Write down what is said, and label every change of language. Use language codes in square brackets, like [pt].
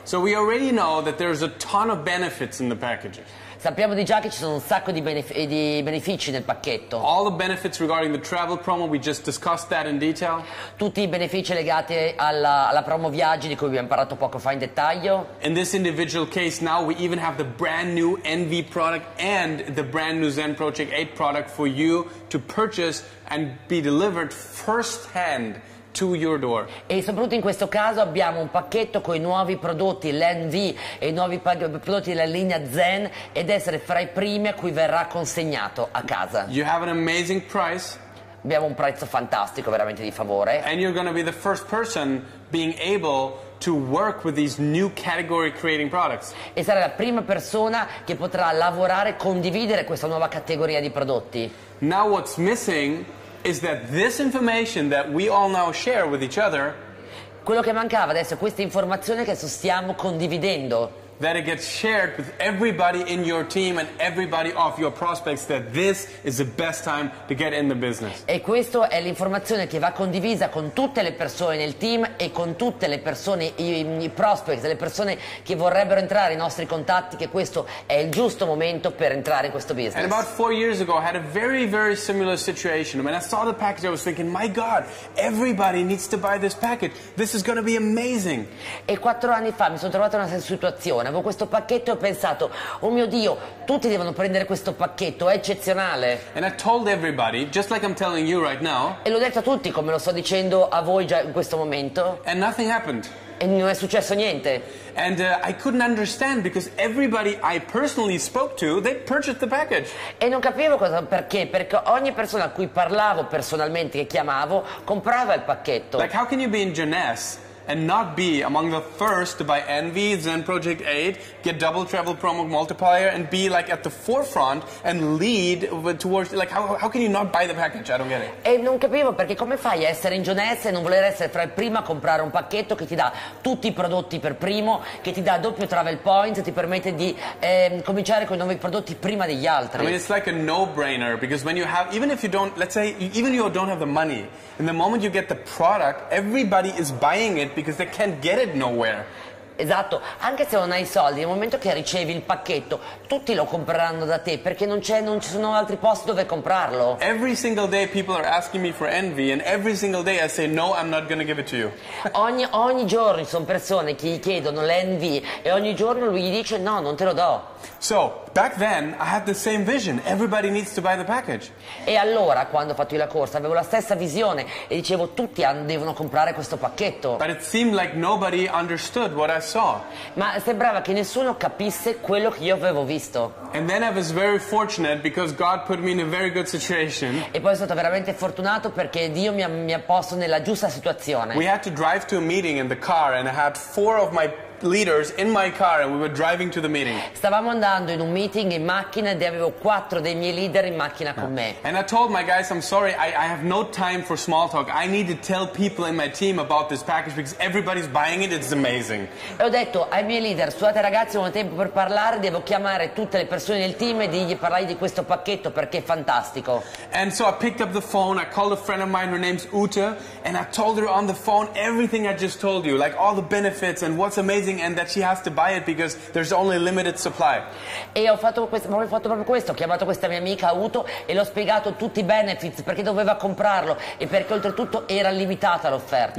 [en] So we already know that there's a ton of benefits in the package. [it] Sappiamo di già che ci sono un sacco di benefici nel pacchetto. [en] All the benefits regarding the travel promo, we just discussed that in detail. [it] Tutti i benefici legati alla promo viaggi, di cui abbiamo parlato poco fa in dettaglio. [en] In this individual case now we even have the brand new NV product and the brand new Zen Project 8 product for you to purchase and be delivered first hand to your door. [it] E soprattutto in questo caso abbiamo un pacchetto con i nuovi prodotti LenV e i nuovi prodotti della linea Zen ed essere fra i primi a cui verrà consegnato a casa. [en] You have an amazing price. [it] Abbiamo un prezzo fantastico, veramente di favore. [en] And you're going to be the first person being able to work with these new category creating products. [it] E sarà la prima persona che potrà lavorare e condividere questa nuova categoria di prodotti. [en] Now what's missing is that this information that we all now share with each other, [it] quello che mancava adesso è questa informazione che stiamo condividendo, [en] that it gets shared with everybody in your team and everybody of your prospects, that this is the best time to get in the business. [it] E questo è l'informazione che va condivisa con tutte le persone nel team e con tutte le persone, i prospects, le persone che vorrebbero entrare, i nostri contatti, che questo è il giusto momento per entrare in questo business. [en] And about 4 years ago I had a very, very similar situation. When I saw the package I was thinking, my God, everybody needs to buy this package. This is going to be amazing. [it] E 4 anni fa mi sono trovato in una situazione. Avevo questo pacchetto e ho pensato, oh mio Dio, tutti devono prendere questo pacchetto, è eccezionale. [en] And I told everybody, just like I'm telling you right now. [it] E l'ho detto a tutti, come lo sto dicendo a voi già in questo momento. [en] And nothing happened. [it] E non è successo niente. [en] And I couldn't understand because everybody I personally spoke to, they purchased the package. [it] E non capivo perché ogni persona a cui parlavo personalmente, che chiamavo, comprava il pacchetto. [en] Like, how can you be in Jeunesse and not be among the first to buy NV, Zen Project 8, get double travel promo multiplier, and be like at the forefront and lead towards, like, how can you not buy the package? I don't get it. [it] E non capivo perché come fai a essere in Jeunesse e non voler essere fra i primi a comprare un pacchetto che ti dà tutti i prodotti per primo, che ti dà doppio travel points, ti permette di cominciare con i nuovi prodotti prima degli altri. [en] I mean, it's like a no-brainer, because when you have, even if you don't, let's say, even if you don't have the money, in the moment you get the product, everybody is buying it because they can't get it nowhere. [it] Esatto, anche se non hai soldi, nel momento che ricevi il pacchetto, tutti lo compreranno da te perché non ci sono altri posti dove comprarlo. [en] Every single day people are asking me for Envy and every single day I say no, I'm not gonna give it to you. [it] Ogni giorno ci sono persone che gli chiedono l'Envy e ogni giorno lui gli dice no, non te lo do. [en] So, back then I had the same vision, everybody needs to buy the package. [it] E allora, quando ho fatto io la corsa, avevo la stessa visione e dicevo tutti devono comprare questo pacchetto. [en] But it seemed like nobody understood what I saw. [it] Ma sembrava che nessuno capisse quello che io avevo visto. [en] And then I was very fortunate because God put me in a very good situation. [it] E poi sono stato veramente fortunato perché Dio mi ha posto nella giusta situazione. [en] We had to drive to a meeting in the car and I had four of my leaders in my car and we were driving to the meeting. [it] Stavamo andando in un meeting in macchina e avevo quattro dei miei leader in macchina con me. [en] And I told my guys, I'm sorry, I have no time for small talk. I need to tell people in my team about this package because everybody's buying it. It's amazing. [it] E ho detto ai miei leader, scusate ragazzi, non ho tempo per parlare, devo chiamare tutte le persone del team e dirgli parlare di questo pacchetto perché è fantastico. [en] And so I picked up the phone, I called a friend of mine, her name's Uta, and I told her on the phone everything I just told you, like all the benefits and what's amazing and that she has to buy it because there's only limited supply. [it] E ho fatto proprio questo, ho chiamato questa mia amica Uto e l'ho spiegato tutti i benefits, perché doveva comprarlo e perché oltretutto era limitata l'offerta.